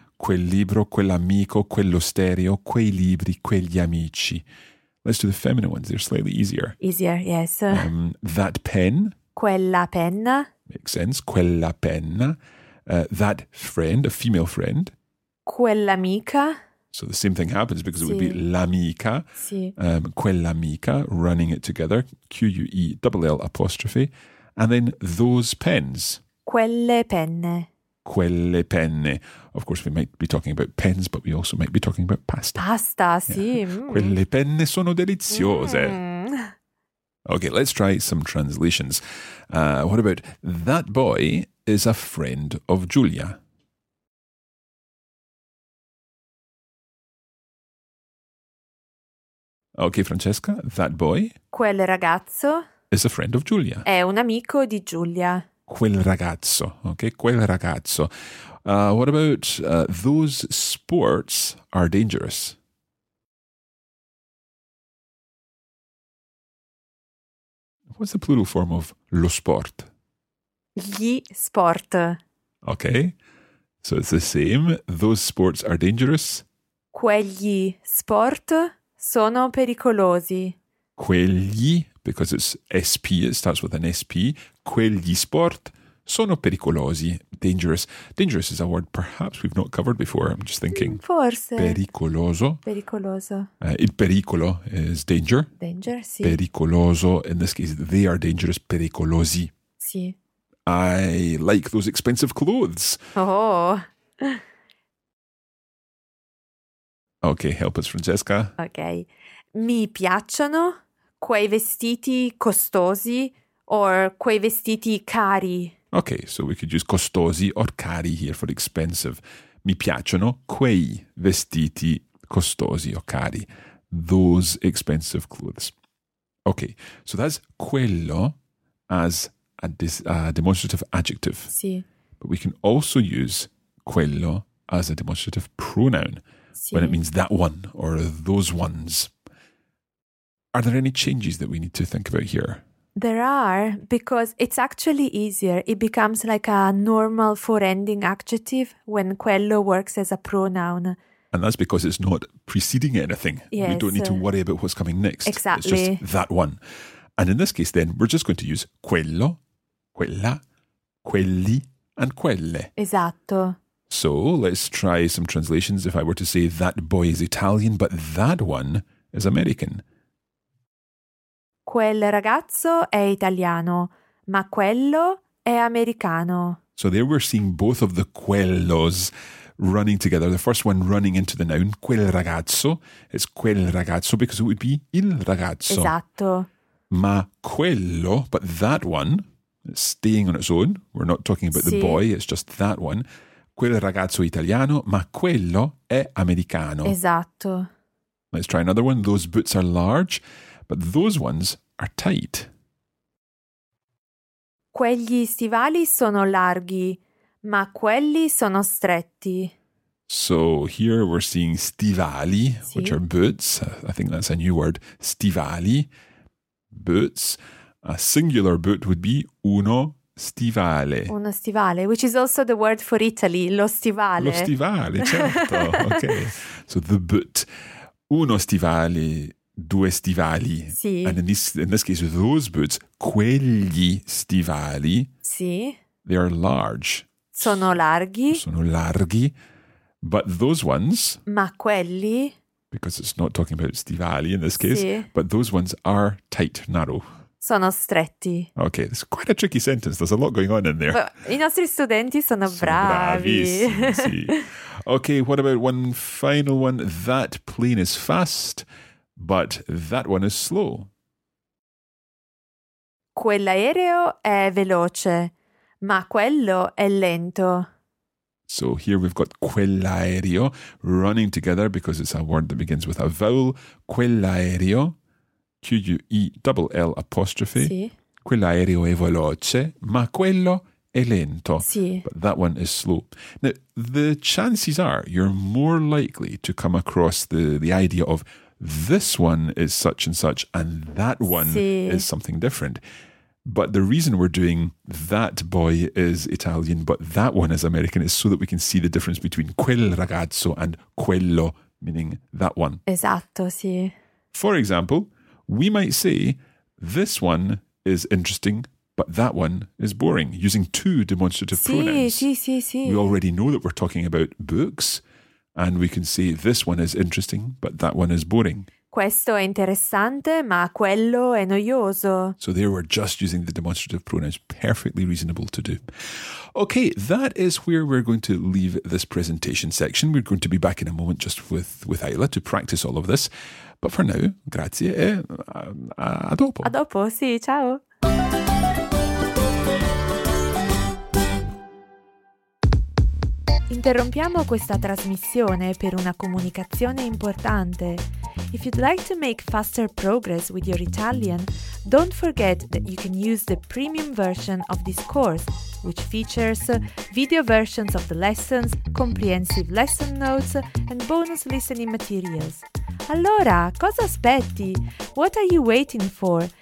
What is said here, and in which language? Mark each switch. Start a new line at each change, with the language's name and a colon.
Italian: Quel libro, quell'amico, quello stereo, quei libri, quegli amici.
English: Let's do the feminine ones. They're slightly easier. Easier, yes. That pen.
Italian: Quella penna.
English: Makes sense.
Italian: Quella penna.
English: That friend, a female friend.
Italian: Quell'amica.
English: So the same thing happens because it would be
Italian: l'amica. Sì. Quell'amica,
English: running it together. Q-U-E, double L apostrophe. And then those pens.
Italian: Quelle penne. quelle penne.
English: Of course, we might be talking about pens, but we also might be talking about pasta. Pasta, yeah.
Italian: Sì. Quelle penne sono deliziose.
English: Okay, let's try some translations. What about, that boy is a friend of Giulia? Okay, Francesca, that boy...
Italian: Quel ragazzo...
English: Is a friend of Giulia.
Italian: È un amico di Giulia. Quel ragazzo, okay? Quel ragazzo.
English: What about, those sports are dangerous? What's the plural form of
Italian: lo sport? Gli sport.
English: Okay, so it's the same. Those sports are dangerous.
Italian: Quegli sport... Sono pericolosi. Quegli,
English: because it's SP, it starts with an SP.
Italian: Quegli sport sono pericolosi.
English: Dangerous. Dangerous is a word perhaps we've not covered before. I'm just thinking.
Italian: Forse. Pericoloso. Pericoloso. Il pericolo
English: is danger. Danger, sì.
Italian: Pericoloso.
English: In this case, they are dangerous.
Italian: Pericolosi. Sì.
English: I like those expensive clothes. Oh. Okay, help us, Francesca. Okay.
Italian: Mi piacciono quei vestiti costosi
English: or
Italian: quei vestiti cari.
English: Okay, so we could use
Italian: costosi
English: or
Italian: cari
English: here for expensive.
Italian: Mi piacciono quei vestiti costosi o cari.
English: Those expensive clothes. Okay, so that's
Italian: quello
English: as a demonstrative adjective.
Italian: Sì.
English: But we can also use quello as a demonstrative pronoun. When it means that one or those ones. Are there any changes that we need to think about here? There are, because it's actually easier. It becomes like a normal four-ending adjective when
Italian: quello
English: works as a pronoun. And that's because it's not preceding anything. Yes. We don't need to worry about what's coming next. Exactly. It's just that one. And in this case, then, we're just going to use
Italian: quello, quella, quelli,
English: and
Italian: quelle. Esatto.
English: So let's try some translations. If I were to say that boy is Italian, but that one is American.
Italian: Quel ragazzo è italiano, ma quello è americano.
English: So there we're seeing both of the quellos running together. The first one running into the noun,
Italian: quel ragazzo.
English: It's quel ragazzo because it would be
Italian: il ragazzo. Esatto. Ma quello,
English: but that one, it's staying on its own. We're not talking about
Italian: sì.
English: The boy, it's just that one.
Italian: Quel ragazzo italiano, ma quello è americano. Esatto.
English: Let's try another one. Those boots are large, but those ones are tight.
Italian: Quegli stivali sono larghi, ma quelli sono stretti.
English: So here we're seeing
Italian: stivali, sì.
English: Which are boots. I think that's a new word.
Italian: Stivali,
English: boots. A singular boot would be
Italian: uno stivale. Uno stivale,
English: which is also the word for Italy,
Italian: lo stivale. Lo stivale, certo.
English: Okay. So the boot.
Italian: Uno stivale, due stivali. Sì.
English: And in this case, those boots,
Italian: quegli stivali. Sì.
English: They are large.
Italian: Sono larghi. Sono larghi.
English: But those ones.
Italian: Ma quelli.
English: Because it's not talking about
Italian: stivali
English: in this case.
Italian: Sì.
English: But those ones are tight, narrow.
Italian: Sono stretti.
English: Okay, it's quite a tricky sentence. There's a lot going on in there. But
Italian: I nostri studenti sono bravi. Bravissimi.
English: Okay, what about one final one? That plane is fast, but that one is slow.
Italian: Quell'aereo è veloce, ma quello è lento.
English: So here we've got
Italian: quell'aereo
English: running together because it's a word that begins with a vowel.
Italian: Quell'aereo. Q-U-E-double-L apostrophe. Sì. Quell'aereo è veloce, ma quello è lento. Sì.
English: But that one is slow. Now, the chances are you're more likely to come across the idea of this one is such and such and that one
Italian: sì.
English: Is something different. But the reason we're doing that boy is Italian, but that one is American is so that we can see the difference between
Italian: quel ragazzo
English: and
Italian: quello,
English: meaning that one.
Italian: Esatto, sì.
English: For example... We might say, this one is interesting, but that one is boring, using two demonstrative
Italian: sì,
English: pronouns.
Italian: Sì, sì, sì.
English: We already know that we're talking about books, and we can say, this one is interesting, but that one is boring.
Italian: Questo è interessante, ma quello è noioso.
English: So they were just using the demonstrative pronouns, perfectly reasonable to do. Okay, that is where we're going to leave this presentation section. We're going to be back in a moment just with Ayla to practice all of this. But for now,
Italian: grazie e a dopo. A dopo, sì, ciao. Interrompiamo questa trasmissione per una comunicazione importante.
English: If you'd like to make faster progress with your Italian, don't forget that you can use the premium version of this course, which features video versions of the lessons, comprehensive lesson notes, and bonus listening materials.
Italian: Allora, cosa aspetti?
English: What are you waiting for?